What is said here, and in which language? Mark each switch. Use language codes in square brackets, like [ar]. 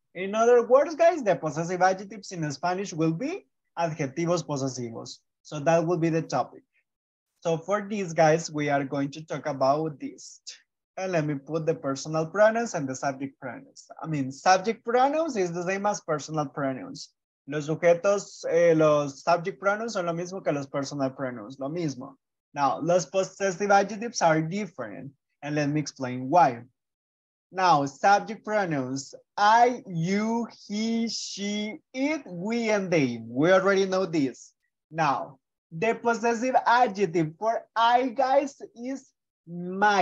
[en] In other words, guys, the possessive adjectives in Spanish will be adjetivos posesivos. So that will be the topic. So for these guys, we are going to talk about this. And let me put the personal pronouns and the subject pronouns. I mean, subject pronouns is the same as personal pronouns. [es] Los sujetos, los [en] subject pronouns [es] son lo mismo que los [en] personal pronouns, [es] lo mismo. [en] Now, los possessive adjectives are different. And let me explain why. Now, subject pronouns, I, you, he, she, it, we, and they. We already know this. Now, the possessive adjective for I, guys, is my.